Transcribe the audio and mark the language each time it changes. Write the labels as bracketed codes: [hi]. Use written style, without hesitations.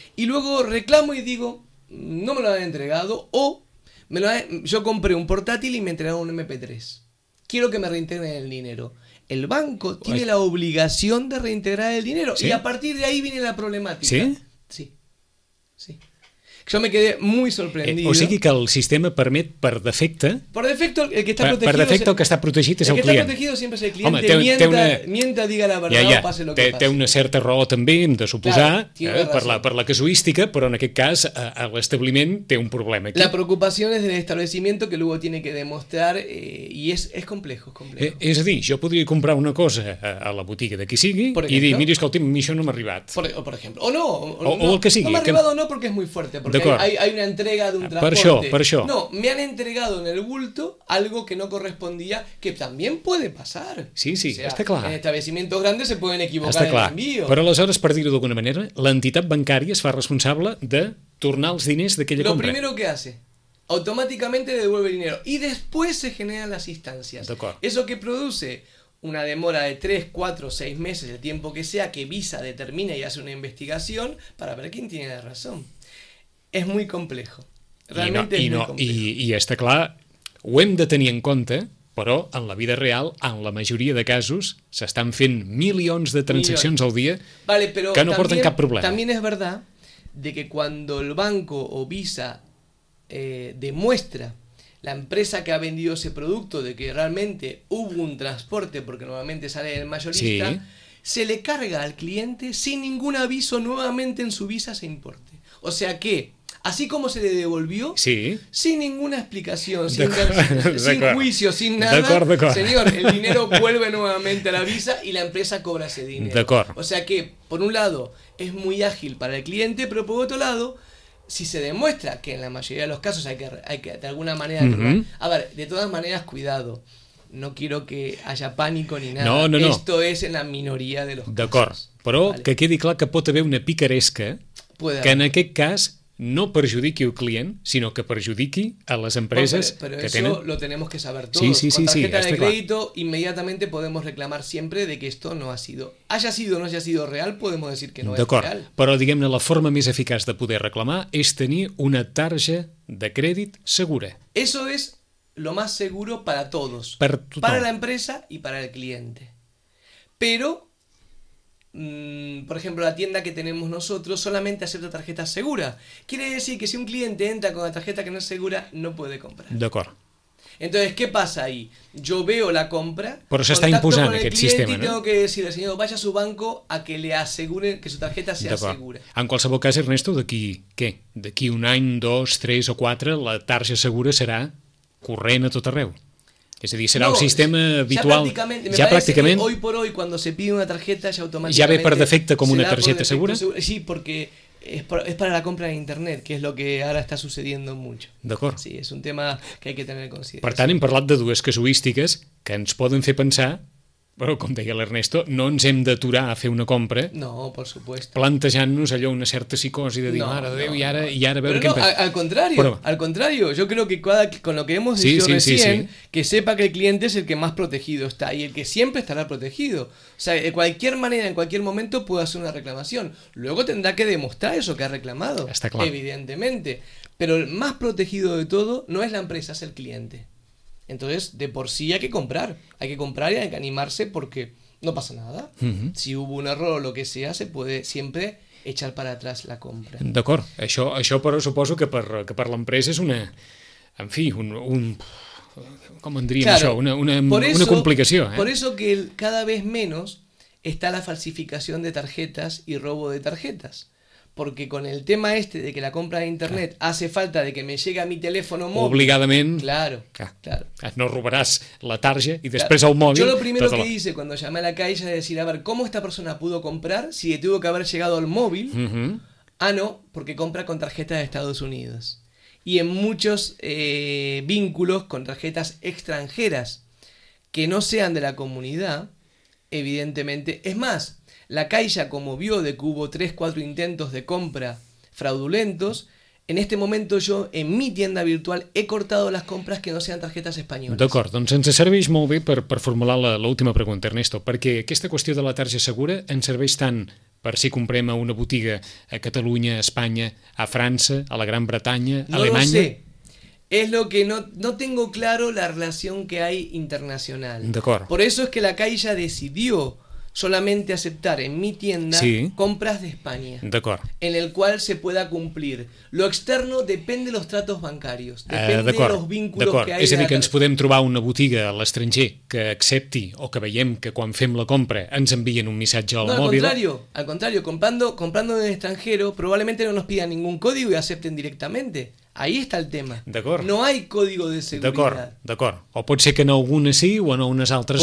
[es] y luego reclamo y digo, no me lo han entregado, o yo compré un portátil y me entregaron un MP3. Quiero que me reintegren el dinero. El banco tiene la obligación de reintegrar el dinero. ¿Sí? Y a partir de ahí viene la problemática. ¿Sí? Sí. Sí. Yo me quedé muy sorprendido. [ca] O sigui que el sistema permet per defecte... [es] Por defecto, el que está protegido... [ca] Per defecto, el que està protegit és el client. El que està protegido sempre és el client. Home, [es] mienta, diga la verdad, [ca] ja, o passe lo que passe. Té una certa raó també, hem de suposar, claro, per la casuística, però en aquest cas l'establiment té un problema aquí. [es] La preocupación es del establecimiento que luego tiene que demostrar y es complejo, complejo. [ca] És a dir, jo podria comprar una cosa a la botiga de qui sigui i dir, mira, escolti, a mi això no m'ha arribat. [es] Por ejemplo. O no. [ca] O el que sigui. No m'ha arribat o no perquè és molt fort. [es] Porque hay una entrega de un transporte. [ca] Per això. [es] No, me han entregado en el bulto algo que no correspondía, que también puede pasar. Sí, sí, o sea, está claro. En establecimientos grandes se pueden equivocar está en clar. Envío. [ca] Però aleshores, per dir-ho d'alguna manera, l'entitat bancària es fa responsable de tornar els diners d'aquella compra. [es] Lo primero que hace, automáticamente devuelve el dinero. Y después se generan las instancias. [ca] D'acord. [es] Eso que produce una demora de 3, 4, 6 meses, el tiempo que sea, que Visa determina y hace una investigación para ver quién tiene la razón. [ca] És molt complex. I està clar, ho hem de tenir en compte, però en la vida real, en la majoria de casos, s'estan fent milions de transaccions al dia, vale, però que no [es] también, [ca] porten cap problema. També és [es] verdad de que cuando el banco o Visa demuestra la empresa que ha vendido ese producto de que realmente hubo un transporte, porque normalmente sale el mayorista, sí, se le carga al cliente sin ningún aviso nuevamente en su Visa se importe. O sea que, así como se le devolvió, sí, sin ninguna explicación, sin juicio, sin nada, [ca] d'acord. [es] Señor, el dinero vuelve nuevamente a la Visa y la empresa cobra ese dinero. [ca] D'acord. [es] O sea que, por un lado, es muy ágil para el cliente, pero por otro lado, si se demuestra que en la mayoría de los casos hay que de alguna manera... Uh-huh. A ver, de todas maneras, cuidado. No quiero que haya pánico ni nada. No. Esto es en la minoría de los [ca] d'acord. [es] casos. [ca] D'acord. Però vale. Que quedi clar que pot haver una picaresca... Que en aquest cas no perjudiqui el client, sinó que perjudiqui a les empreses [es] pero [ca] que tenen... Però això [es] lo tenemos que saber todos. Sí, sí, sí. Con tarjeta sí, de crédito, inmediatamente podemos reclamar siempre de que esto no ha sido... Haya sido o no haya sido real, podemos decir que no [ca] d'acord. [es] Es real. [ca] Però, diguem-ne, la forma més eficaç de poder reclamar és tenir una tarja de crèdit segura. [es] Eso es lo más seguro para todos. [ca] Per tothom. [es] Para la empresa y para el cliente. Pero... por ejemplo, la tienda que tenemos nosotros solamente acepta tarjetas seguras. Quiere decir que si un cliente entra con la tarjeta que no es segura, no puede comprar. [ca] D'acord. [es] Entonces, ¿qué pasa ahí? Yo veo la compra, pero se está [ca] imposant aquest sistema, [es] ¿no? Y tengo que decirle, señor, vaya a su banco a que le asegure que su tarjeta sea [ca] d'acord. [es] Segura. [ca] En qualsevol cas, Ernesto, d'aquí què? D'aquí un any, dos, tres o quatre, la tarja segura serà corrent a tot arreu. És a dir, serà no, un sistema habitual. Ja pràcticament... [es] Hoy por hoy, cuando se pide una tarjeta, ya automáticamente... [ca] Ja ve per defecte com una targeta segura. [es] Sí, porque es para la compra en internet, que es lo que ahora está sucediendo mucho. [ca] D'acord. [es] Sí, es un tema que hay que tener en consideración. [ca] Per tant, hem parlat de dues casuístiques que ens poden fer pensar, però, com deia l'Ernesto, no ens hem d'aturar a fer una compra. [es] No, por supuesto. [ca] Plantejant-nos allò una certa psicosi de dir, mare Déu, i ara veure no, què... [es] Però no, al contrario, yo creo que con lo que hemos dicho sí, recién, sí. Que sepa que el cliente es el que más protegido está y el que siempre estará protegido. O sea, de cualquier manera, en cualquier momento, puede hacer una reclamación. Luego tendrá que demostrar eso que ha reclamado. Está claro. Evidentemente. Pero el más protegido de todo no es la empresa, es el cliente. Entonces, de por sí hay que comprar y hay que animarse porque no pasa nada. Uh-huh. Si hubo un error o lo que sea, se puede siempre echar para atrás la compra. [ca] D'acord. Això però suposo que per l'empresa és una, en fi, un com en diríem, [es] claro, [ca] això, una complicació, eh. [es] Por eso que cada vez menos está la falsificación de tarjetas y robo de tarjetas. Porque con el tema este de que la compra de internet claro. Hace falta de que me llegue a mi teléfono móvil... [ca] Obligadament... [es] Claro, claro. No robarás la tarja y después claro. Al móvil... Yo lo primero que hice cuando llamé a la caixa es decir, a ver, ¿cómo esta persona pudo comprar si le tuvo que haber llegado al móvil? Uh-huh. Ah, no, porque compra con tarjetas de Estados Unidos. Y en muchos vínculos con tarjetas extranjeras que no sean de la comunidad, evidentemente. Es más, la Caixa, como vio de que hubo 3-4 intentos de compra fraudulentos, en este momento yo, en mi tienda virtual, he cortado las compras que no sean tarjetas españolas. [ca] D'acord, doncs ens serveix molt bé per formular l'última pregunta, Ernesto, perquè aquesta qüestió de la targeta segura ens serveix tant per si comprem a una botiga a Catalunya, a Espanya, a França, a la Gran Bretanya, a Alemanya... [es] No lo sé. Es lo que no tengo claro la relación que hay internacional. [ca] D'acord. [es] Por eso es que la Caixa decidió solamente aceptar en mi tienda sí. compras de España. [ca] D'acord. [es] En el cual se pueda cumplir. Lo externo depende de los tratos bancarios, depende de los vínculos [ca] d'acord. [es] que hay. [ca] És a dir, que ens podem trobar una botiga a l'estranger que accepti o que veiem que quan fem la compra ens envien un missatge al mòbil. [es] No, al contrario, comprando en el extranjero probablemente no nos pidan ningún código y acepten directamente. Ahí está el tema. [ca] D'acord. [es] No hay código de seguridad. [ca] D'acord, d'acord. O pot ser que en algunes sí o en unes altres